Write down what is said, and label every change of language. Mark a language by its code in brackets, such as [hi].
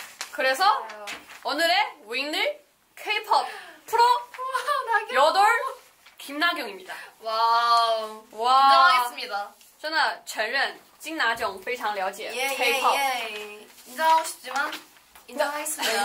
[ko] 그래서 오늘의 winner K-pop 프로 여덟 김나경입니다. 와우. 와. 인정하겠습니다. 정말 承认. [zh] 金娜炯非常了解 K-pop. [ko] 인정하고 싶지만 인정하겠습니다.